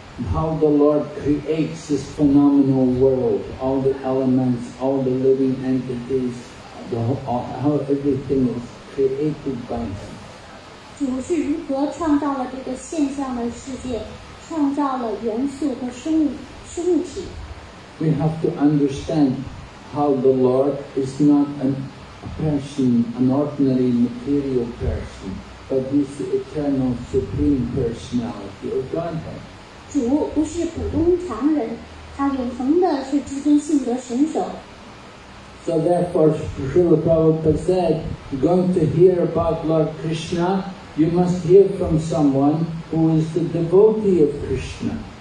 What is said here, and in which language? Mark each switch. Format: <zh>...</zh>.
<en>How the Lord creates this phenomenal world, all the elements, all the living entities, the whole, how everything is created by Him.</en> <zh>主是如何创造了这个现象的世界，创造了元素和生物体。</zh> <en>We have to understand how the Lord is not a person, an ordinary material person, but He's the eternal supreme personality of Godhead.</en> <zh>主不是普通常人，他永恒的是至尊性德神手。</zh> <en>So therefore, Srila Prabhupada said, going to hear about Lord Krishna, you must hear from someone who is the devotee of Krishna.</en>